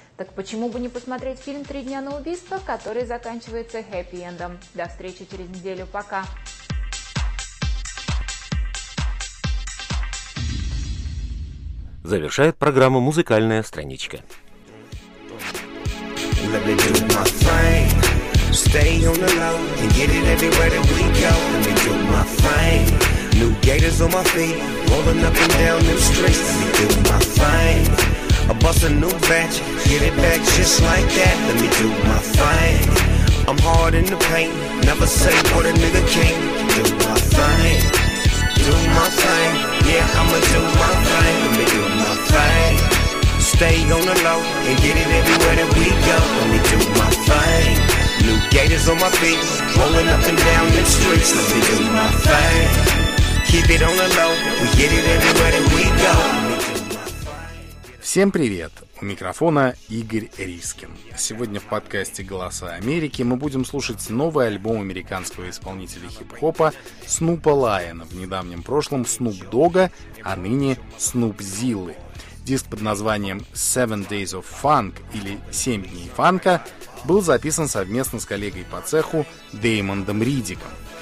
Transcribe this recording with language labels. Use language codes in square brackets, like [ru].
[ru] Так почему бы не посмотреть фильм «Три дня на убийство», который заканчивается хэппи-эндом? До встречи через неделю. Пока! Завершает программу «Музыкальная страничка». [en] Let me do my thing, stay on the low, and get it everywhere that we go. Let me do my thing, new gators on my feet. rolling up and down them streets, do my thing. I bust a new batch, get it back just like that. Let me do my thing. I'm hard in the paint, never say what a nigga can't. Do my thing, do my thing. Yeah, I'ma do my thing. Let me do my thing. Stay on the low and get it everywhere that we go. Let me do my thing. New gators on my feet, rolling up and down the streets. Let me do my thing. Keep it on the low, we get it everywhere that we go. [ru] Всем привет! У микрофона Игорь Рискин. Сегодня в подкасте «Голоса Америки» мы будем слушать новый альбом американского исполнителя хип-хопа Снупа Лайона, в недавнем прошлом Снуп Дога, а ныне Снуп Зиллы. Диск под названием «Seven Days of Funk» или «Семь дней фанка» был записан совместно с коллегой по цеху Деймондом Ридиком.